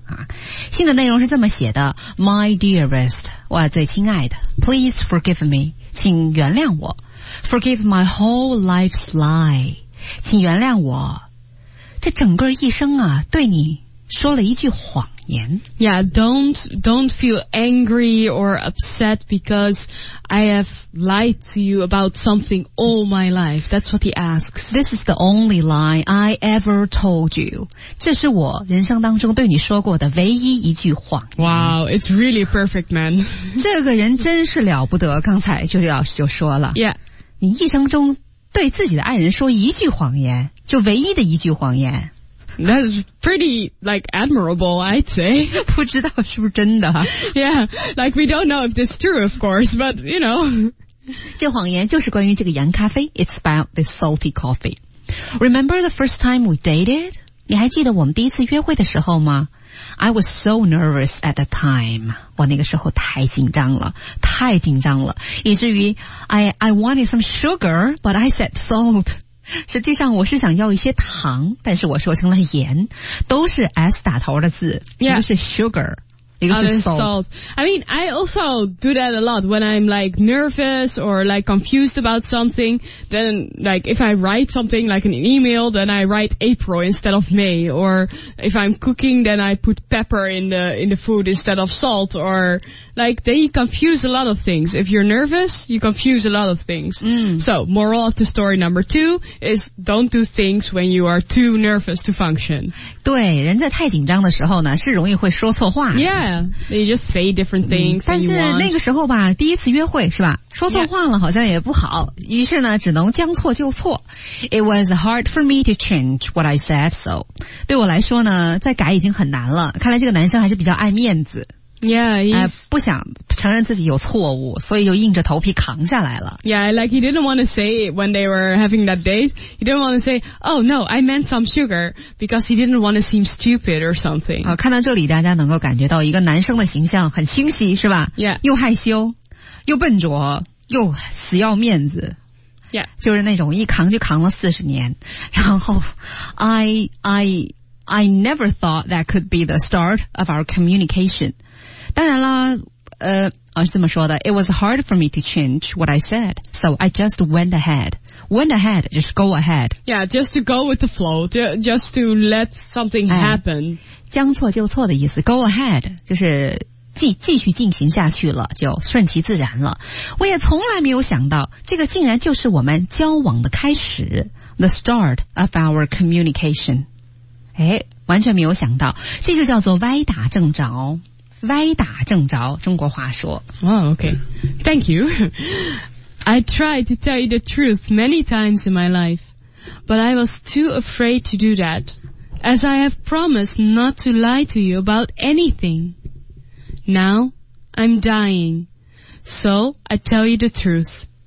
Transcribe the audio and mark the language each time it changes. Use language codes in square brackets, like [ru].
[zh] 啊、信的内容是这么写的 , [en] my dearest, [zh] 我最亲爱的 , [en] please forgive me, [zh] 请原谅我 , [en] forgive my whole life's lie, [zh] 请原谅我这整个一生啊对你说了一句谎。 [en] Yeah, don't feel angry or upset because I have lied to you about something all my life. That's what he asks. This is the only lie I ever told you. [zh] 这是我人生当中对你说过的唯一一句谎言。 [en] Wow, it's really perfect, man. [zh] 这个人真是了不得，刚才就老师就说了。 [en] Yeah. [zh] 你一生中对自己的爱人说一句谎言，就唯一的一句谎言。 [en] That's pretty, like, admirable, I'd say. [zh] 不知道是不是真的。 [en] Yeah, like, we don't know if this is true, of course, but, you know. [zh] 这谎言就是关于这个盐咖啡。 [en] It's about this salty coffee. Remember the first time we dated? [zh] 你还记得我们第一次约会的时候吗？ [en] I was so nervous at the time. [zh] 我那个时候太紧张了，太紧张了。以至于 [en] I wanted some sugar, but I said salt. [zh] 实际上我是想要一些糖，但是我说成了盐，都是 S 打头的字，一、 [en] yeah. [zh] 个是 sugar， 一个是 salt。 [en] I mean, I also do that a lot when I'm like nervous or like confused about something. Then, like if I write something like an email, then I write April instead of May. Or if I'm cooking, then I put pepper in the food instead of salt. Or like then you confuse a lot of things. If you're nervous, you confuse a lot of things.、 Mm. So moral of the story number two is don't do things when you are too nervous to function. [zh] 对，人在太紧张的时候呢，是容易会说错话。 [en] Yeah, you just say different things.、 [zh] 但是那个时候吧，第一次约会是吧，说错话了好像也不好， [en] yeah. [zh] 于是呢，只能将错就错。 [en] It was hard for me to change what I said. [zh] So 对我来说呢，再改已经很难了。看来这个男生还是比较爱面子。 [en] Yeah, [zh] 不想承认自己有错误，所以就硬着头皮扛下来了。 [en] Yeah, like he didn't want to say it when they were having that date. He didn't want to say, oh no, I meant some sugar because he didn't want to seem stupid or something. [zh] 啊，看到这里大家能够感觉到一个男生的形象很清晰是吧？ [en] Yeah. [zh] 又害羞又笨拙又死要面子。 [en] Yeah. [zh] 就是那种一扛就扛了40年。 [en] 然后 I never thought that could be the start of our communication. [zh] 当然啦，是这么说的。 [en] It was hard for me to change what I said, so I just went ahead. Went ahead, just go ahead. Yeah, just to go with the flow, just to let something happen.、 [zh] 哎、将错就错的意思。Go ahead, 就是继续进行下去了，就顺其自然了。我也从来没有想到，这个竟然就是我们交往的开始。 [en] The start of our communication. [zh] 哎，完全没有想到，这就叫做歪打正着。歪打正着，中国话说。 [en] Oh, okay. Thank you. I tried to tell you the truth many times in my life, but I was too afraid to do that, as I have promised not to lie to you about anything. Now, I'm dying, so I tell you the truth.